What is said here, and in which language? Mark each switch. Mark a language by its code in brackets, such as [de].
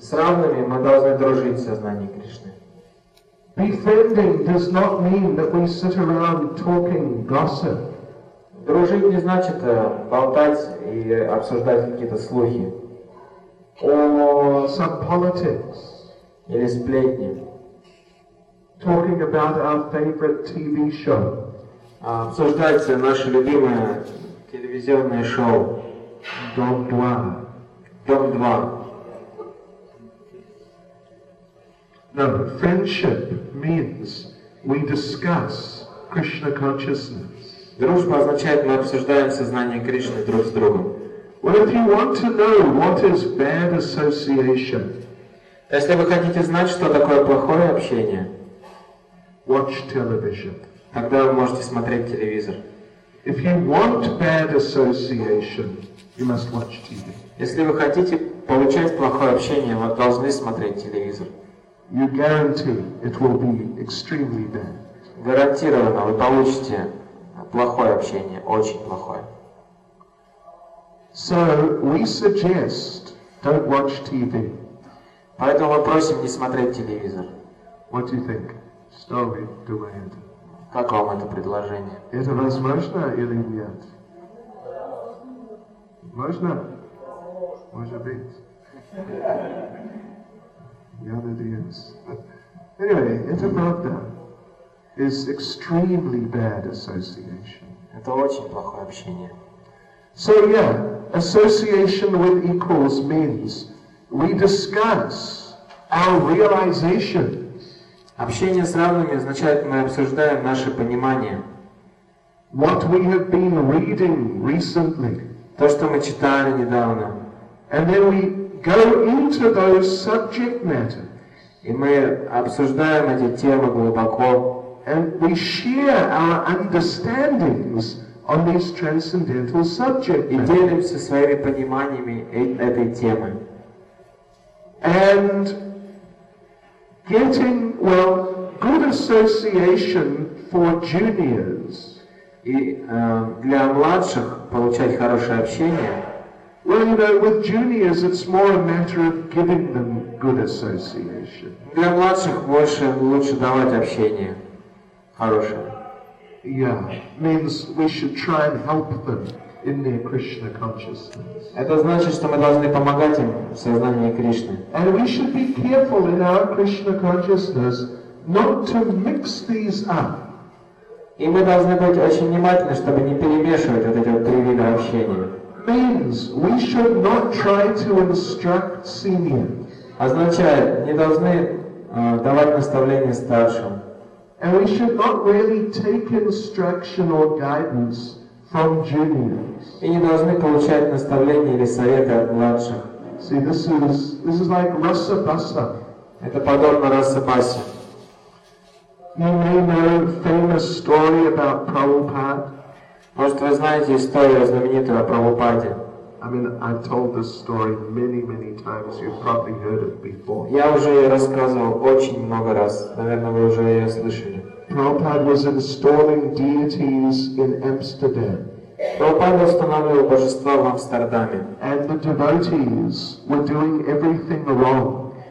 [ru] С равными мы должны дружить в сознании Кришны. [en] Befriending does not mean that we sit around talking gossip. [ru] Дружить не значит болтать и обсуждать какие-то слухи. [en] Some politics. [ru] Или сплетни. [en] Talking about our favorite TV show. [ru] Обсуждать наши любимые телевизионное шоу «Дом 2». «Дом 2». [en] No, friendship means we discuss Krishna consciousness. [ru] Дружба означает, мы обсуждаем сознание Кришны друг с другом. [en] Well, if you want to know what is bad association, [ru] если вы хотите знать, что такое плохое общение, [en] watch television. [ru] Тогда вы можете смотреть телевизор. [en] If you want bad association, you must watch TV. [ru] Если вы хотите получать плохое общение, вы должны смотреть телевизор. [en] You guarantee it will be extremely bad. [ru] Гарантированно вы получите плохое общение, очень плохое. [en] So we suggest don't watch TV. [ru] Поэтому мы просим не смотреть телевизор. [en] What do you think? Story to end. [ru] Как вам это предложение? Это возможно или нет? Можно? Может быть. Я надеюсь. [en] Anyway, [ru] это правда. [en] It's extremely bad association. [ru] Это очень плохое общение. [en] So yeah, association with equals means we discuss our realization. [ru] Общение с равными означает, мы обсуждаем наше понимание. [en] What we have been reading recently. [ru] То, что мы читали недавно. [en] And then we go into those subject matter. [ru] И мы обсуждаем эти темы глубоко. [en] And we share our understandings on these transcendental subject matter. [ru] И делимся своими пониманиями этой темы. [en] And getting, well, good association for juniors. [ru] И для младших получать хорошее общение. [en] Well, you know, with juniors it's more a matter of giving them good association. [ru] Для младших больше лучше давать общение хорошее. [en] Yeah, means we should try and help them in their Krishna consciousness. [ru] Это значит, что мы должны помогать им в сознании Кришны. [en] And we should be careful in our Krishna consciousness not to mix these up. [ru] И мы должны быть очень внимательны, чтобы не перемешивать вот эти три вида общения. [en] Means we should not try to instruct seniors. [ru] Означает, не должны давать наставления старшим. [en] And we should not really take instruction or guidance from juniors. [ru] И не должны получать наставления или советы от младших. [en] See, this is like rasa basa. [ru] Это подобно раса баса. [en] You may know a famous story about Prabhupada. [ru] Может, вы знаете историю знаменитую о Прабхупаде? [en] I mean, I've told this story many, many times. You've probably heard it before. [ru] Я уже ее рассказывал очень много раз. Наверное, вы уже ее слышали. [en] Prabhupada was installing deities in Amsterdam. [ru] Прабхупада устанавливал божества в Амстердаме. [en] And the devotees were doing everything wrong.